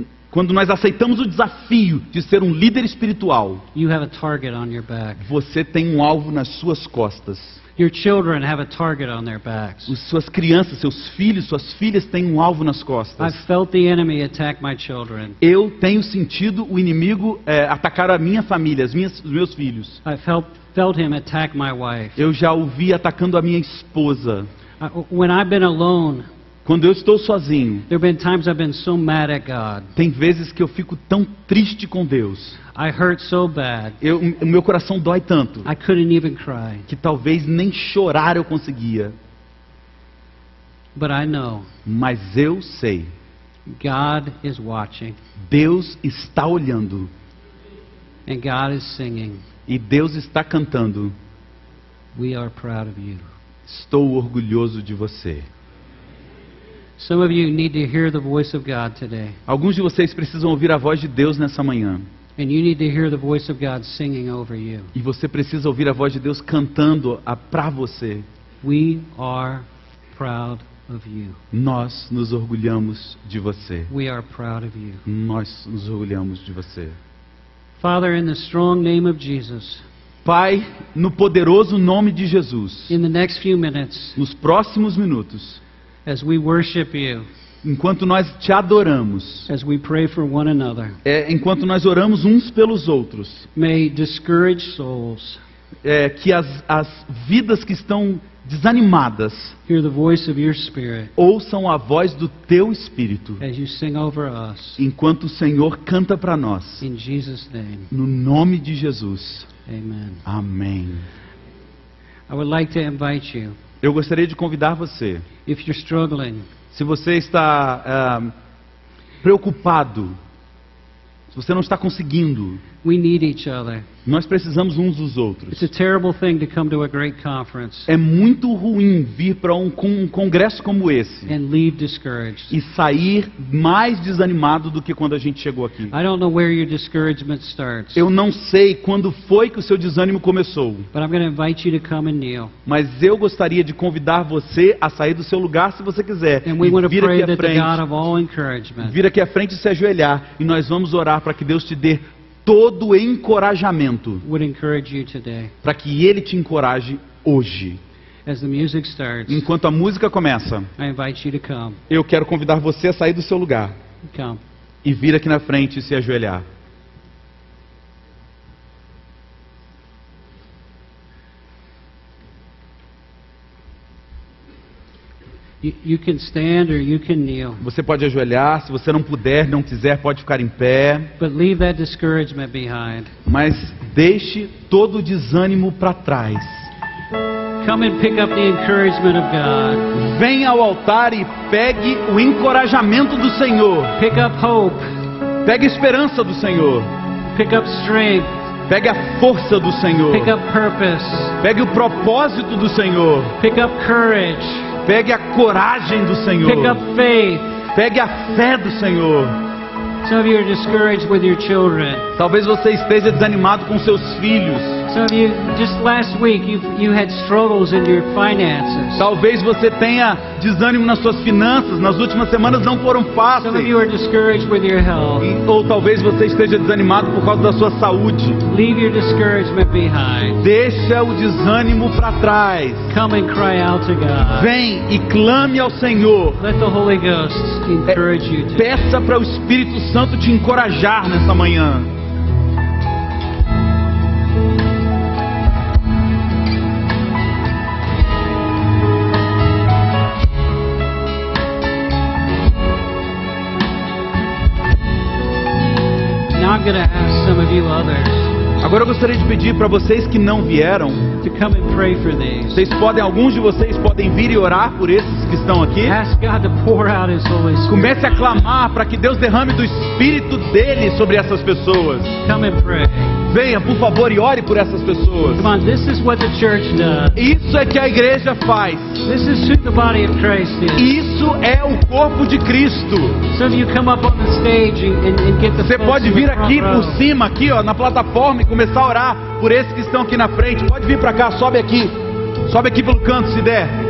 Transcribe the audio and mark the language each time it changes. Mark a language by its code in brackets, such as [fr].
[pt] Quando nós aceitamos o desafio de ser um líder espiritual. [en] You have a target on your back. [pt] Você tem um alvo nas suas costas. [en] Your children have a target on their backs. [pt] As suas crianças, seus filhos, suas filhas têm um alvo nas costas. [en] I've felt the enemy attack my children. [pt] Eu tenho sentido o inimigo atacar a minha família, os meus filhos. [en] I've felt him attack my wife. [pt] Eu já o vi atacando a minha esposa. [en] When I've been alone, [pt] quando eu estou sozinho, [en] there have been times I've been so mad at God. [pt] Tem vezes que eu fico tão triste com Deus. [en] I hurt so bad. [pt] O meu coração dói tanto. [en] I couldn't even cry. [pt] Que talvez nem chorar eu conseguia. [en] But I know. [pt] Mas eu sei. [en] God is watching. [pt] Deus está olhando. [en] And God is singing. [pt] E Deus está cantando. [en] We are proud of you. [pt] Estou orgulhoso de você. [en] Some of you need to hear the voice of God today. [pt] Alguns de vocês precisam ouvir a voz de Deus nessa manhã. [en] And you need to hear the voice of God singing over you. [pt] E você precisa ouvir a voz de Deus cantando para você. [en] We are proud of you. [pt] Nós nos orgulhamos de você. [en] We are proud of you. [pt] Nós nos orgulhamos de você. [en] Father, in the strong name of Jesus. [pt] Pai, no poderoso nome de Jesus. [en] In the next few minutes. [pt] Nos próximos minutos. [en] As we worship you. [pt] Enquanto nós te adoramos. [en] As we pray for one another. [pt] Enquanto nós oramos uns pelos outros. [en] May discouraged souls. [pt] Que as vidas que estão desanimadas. [en] Hear the voice of your spirit. [pt] Ouçam a voz do teu espírito. [en] As you sing over us. [pt] Enquanto o Senhor canta para nós. [en] In Jesus' name. [pt] No nome de Jesus. [en] Amen. [pt] Amém. [en] I would like to invite you. [pt] Eu gostaria de convidar você. [en] If you're struggling, [pt] se você está preocupado, se você não está conseguindo, [en] we need each other. [pt] Nós precisamos uns dos outros. [en] It's a terrible thing to come to a great conference. [pt] É muito ruim vir para um congresso como esse [en] and leave discouraged. [pt] E sair mais desanimado do que quando a gente chegou aqui. [en] I don't know where your discouragement starts. [pt] Eu não sei quando foi que o seu desânimo começou. [en] But I'm going to invite you to come and kneel. [pt] Mas eu gostaria de convidar você a sair do seu lugar, se você quiser, [en] and we want to pray that the God of all encouragement. [pt] Vir aqui à frente e se ajoelhar. E nós vamos orar para que Deus te dê todo encorajamento para que Ele te encoraje hoje. [en] As the music starts, [pt] enquanto a música começa, [en] I invite you to come. [pt] Eu quero convidar você a sair do seu lugar [en] come. [pt] E vir aqui na frente e se ajoelhar. [en] You can stand or you can kneel. [pt] Você pode ajoelhar, se você não puder, não quiser, pode ficar em pé. [en] But leave that discouragement behind. [pt] Mas deixe todo o desânimo para trás. [en] Come and pick up the encouragement of God. [pt] Venha ao altar e pegue o encorajamento do Senhor. [en] Pick up hope. [pt] Pegue a esperança do Senhor. [en] Pick up strength. [pt] Pegue a força do Senhor. [en] Pick up purpose. [pt] Pegue o propósito do Senhor. [en] Pick up courage. [pt] Pegue a coragem do Senhor. [en] Pick up faith. [pt] Pegue a fé do Senhor. [en] Some of you are discouraged with your children. [pt] Talvez você esteja desanimado com seus filhos. [en] Some of you, just last week, you had struggles in your finances. [pt] Talvez você tenha desânimo nas suas finanças. Nas últimas semanas não foram fáceis. [en] Some of you are discouraged with your health. [pt] Ou talvez você esteja desanimado por causa da sua saúde. [en] Leave your discouragement behind. [pt] Deixa o desânimo para trás. [en] Come and cry out to God. [pt] Vem e clame ao Senhor. [en] Let the Holy Ghost encourage you today. [pt] Peça para o Espírito Santo te encorajar nessa manhã. [en] I'm going to ask some of you others. [pt] Agora eu gostaria de pedir para vocês que não vieram. [en] To come and pray for these. [pt] Vocês podem, alguns de vocês podem vir e orar por esses que estão aqui. [en] Ask God to pour out His Holy Spirit. [pt] Comece a clamar para que Deus derrame do Espírito dele sobre essas pessoas. [en] Come and pray. [pt] Venha, por favor, e ore por essas pessoas. [en] Come on, this is what the church does. [pt] Isso é que a igreja faz. [en] This is who the body of Christ is. [pt] Isso é o corpo de Cristo. [en] So you come up on the stage and get the [pt] Você pode vir aqui por cima, aqui, ó, na plataforma, e começar a orar por esses que estão aqui na frente. Pode vir para cá, sobe aqui. Sobe aqui pelo canto, se der.